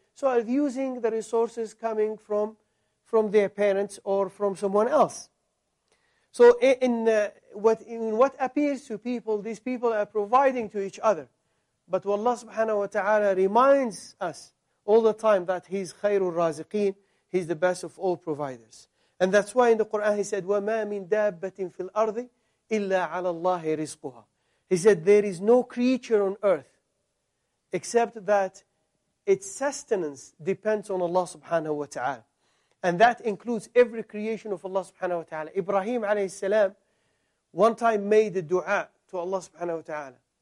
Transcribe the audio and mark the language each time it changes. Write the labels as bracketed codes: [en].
[en] So are using the resources coming from their parents or from someone else. So in what appears to people, these people are providing to each other. But Allah subhanahu wa ta'ala reminds us all the time that He's khayrul raziqeen, He's the best of all providers. [ar] And that's why in the Quran He said, وَمَا مِن دَابَّةٍ فِي الْأَرْضِ إِلَّا عَلَى اللَّهِ رِزْقُهَا. [en] He said, there is no creature on earth except that its sustenance depends on Allah subhanahu wa ta'ala. And that includes every creation of Allah subhanahu wa ta'ala. Ibrahim alayhi salam one time made a dua to Allah subhanahu wa ta'ala.